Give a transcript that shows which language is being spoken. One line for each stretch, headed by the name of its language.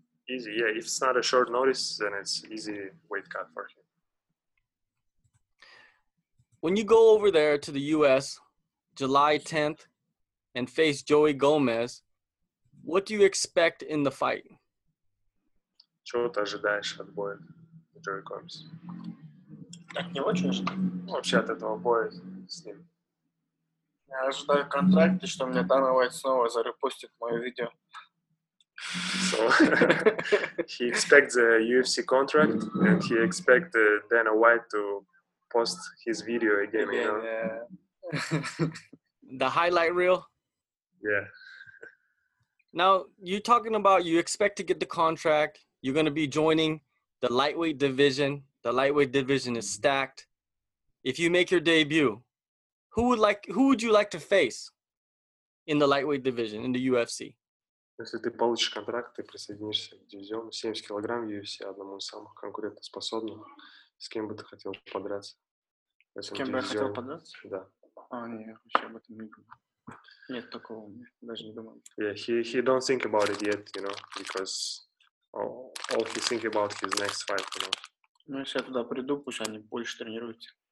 English: Easy, yeah. If it's not a short notice, then it's easy weight cut for him. When you go over there to the U.S. July 10th and face Joey Gomez, what do you expect in the fight?
Russian: Чего ты ожидаешь от боя с Джои Гомес? Так не очень же. Вообще от этого боя с ним. Я ожидаю контракт, и что мне Дана Уайт снова зарепостит мое видео.
English: So, he expects a UFC contract, and he expects Dana White to post his video again, you know? The highlight reel? Yeah. Now, you're talking about you expect to get the contract. You're going to be joining the lightweight division. The lightweight division is stacked. If you make your debut, who would you like to face in the lightweight division, in the UFC?
Russian: Если ты получишь контракт, ты присоединишься к дивизиону 70 килограмм UFC, одному из самых конкурентоспособных. С кем бы ты хотел подраться? С кем бы я хотел подраться? Да. Нет, вообще об этом не думал. Нет такого, даже не думал.
English: Yeah, he don't think about it yet, you know, because all he think about his next fight, you know.
Russian: Ну, если я туда приду, пусть они больше тренируются.